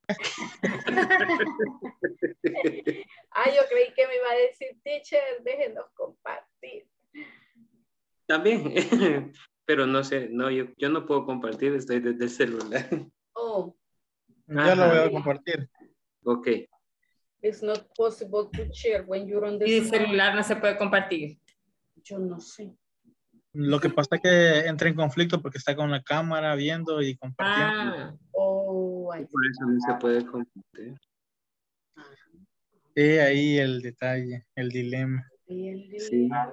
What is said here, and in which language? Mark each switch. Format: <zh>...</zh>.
<es>Ah, yo creí que me iba a decir, teacher, déjenos compartir. También, pero no sé, no, yo no puedo compartir, estoy desde el celular. Oh. Ajá. Ya lo voy a compartir. Ok.</es> <en>It's not possible to share when you're on the celular.</en> <es>Y celular no se puede compartir. Yo no sé. Lo que pasa es que entra en conflicto porque está con la cámara viendo y compartiendo. Ah, oh, ahí por eso no se puede compartir. Sí, ahí el detalle, el dilema. Sí, el dilema.</es>